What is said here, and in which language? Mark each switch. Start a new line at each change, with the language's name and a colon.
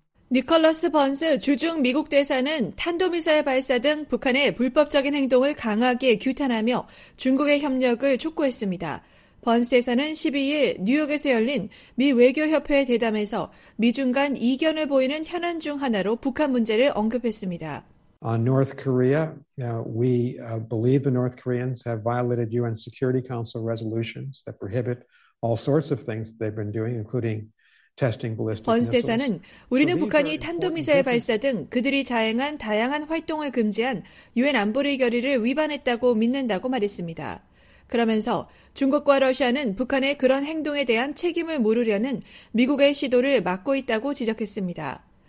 Korean: 니콜러스 번스 주중 미국 대사는 탄도미사일 발사 등 북한의 불법적인 행동을 강하게 규탄하며 중국의 협력을 촉구했습니다. 번스 대사는 12일 뉴욕에서 열린 미 외교협회 대담에서 미중 간 이견을 보이는 현안 중 하나로 북한 문제를 언급했습니다.
English: On North Korea, we believe the North Koreans have violated UN Security Council resolutions that prohibit all sorts of things they've been doing, including
Korean: 번스 대사는 우리는 북한이 탄도미사일 발사 등 그들이 자행한 다양한 활동을 금지한 유엔 안보리 결의를 위반했다고 믿는다고 말했습니다. 그러면서 중국과 러시아는 북한의 그런 행동에 대한 책임을 물으려는 미국의 시도를 막고 있다고 지적했습니다.